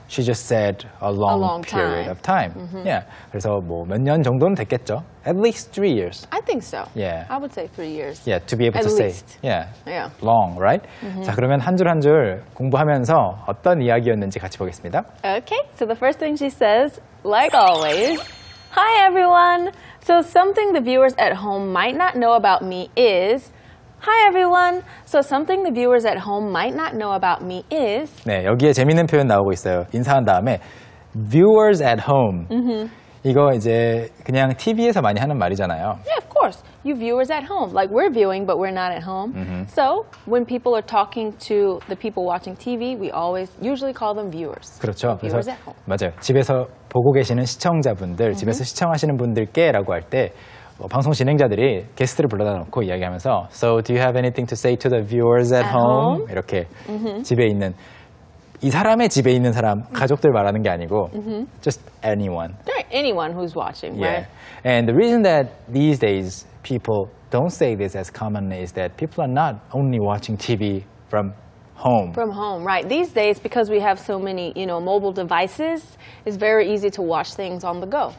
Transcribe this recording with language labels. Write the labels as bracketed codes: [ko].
[en] She just said a long period of time. Mm-hmm. Yeah. [ko] 그래서 뭐 몇 년 정도는 됐겠죠. [en] At least 3 years. I think so. Yeah. I would say 3 years. Yeah, to be able to say. At least. Yeah. Long, right? Mm-hmm. [ko] 자, 그러면 한 줄 한 줄 공부하면서 어떤 이야기였는지 같이 보겠습니다. [en] Okay, so the first thing she says, like always, Hi, everyone. So something the viewers at home might not know about me is... Hi, everyone. So something the viewers at home might not know about me is... [ko] 네, 여기에 재밌는 표현 나오고 있어요. 인사한 다음에 [en] viewers at home. Mm-hmm. [ko] 이거 이제 그냥 TV에서 많이 하는 말이잖아요. [en] Yeah, of course. You viewers at home. Like, we're viewing, but we're not at home. Mm-hmm. So when people are talking to the people watching TV, we always usually call them viewers. [ko] 그렇죠. [en] Viewers [ko] 그래서, [en] at home. [ko] 맞아요. 집에서 보고 계시는 시청자분들, mm-hmm. 집에서 시청하시는 분들께 라고 할 때 뭐, 방송 진행자들이 게스트를 불러다 놓고 이야기하면서 [en] So do you have anything to say to the viewers at home? [ko] 이렇게 mm-hmm. 집에 있는 이 사람의 집에 있는 사람, 가족들 말하는 게 아니고 mm-hmm. [en] Just anyone. Anyone who's watching, yeah. right? And the reason that these days people don't say this as commonly is that people are not only watching TV from home. From home, right. These days, because we have so many, you know, mobile devices, it's very easy to watch things on the go.